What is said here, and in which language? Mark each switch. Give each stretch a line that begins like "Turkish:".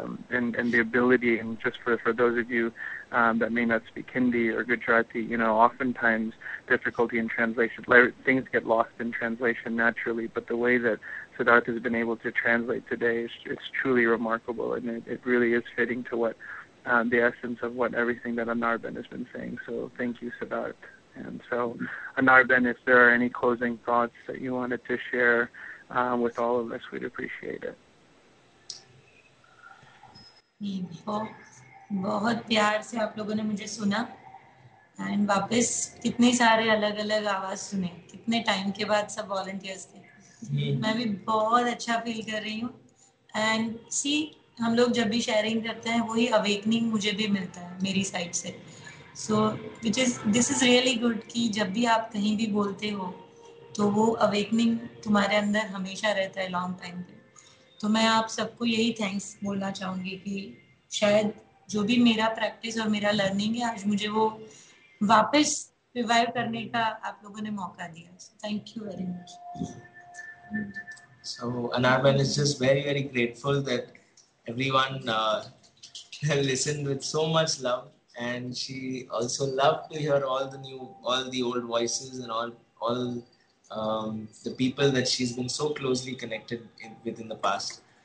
English: And the ability, and just for those of you that may not speak Hindi or Gujarati, you know, oftentimes difficulty in translation, things get lost in translation naturally, but the way that Siddharth has been able to translate today is it's truly remarkable, and it really is fitting to what the essence of what everything that Anarben has been saying. So thank you, Siddharth. And so, Anarben, if there are any closing thoughts that you wanted to share with all of us, we'd appreciate it.
Hindi: बहुत प्यार से आप लोगों ने मुझे सुना and वापस कितने सारे अलग अलग आवाज सुने, कितने टाइम के बाद सब वॉलंटियर्स थे. मैं भी बहुत अच्छा फील कर रही हूँ. एंड सी, हम लोग जब भी शेयरिंग करते हैं वही अवेकनिंग मुझे भी मिलता है मेरी साइड से.
English: so which is this is really good
Hindi: कि जब भी आप कहीं भी बोलते हो तो वो अवेकनिंग तुम्हारे अंदर हमेशा रहता है लॉन्ग टाइम पे. तो मैं आप सबको यही थैंक्स बोलना चाहूंगी कि शायद जो भी मेरा प्रैक्टिस और मेरा लर्निंग है आज मुझे वो वापस रिवाइव करने का आप लोगों ने मौका दिया.
English: Thank you very much. So Anarban is just very, very grateful that everyone listened with so much love, and she also loved to hear all the new, all the old voices and all the people that she's been so closely connected with in the past.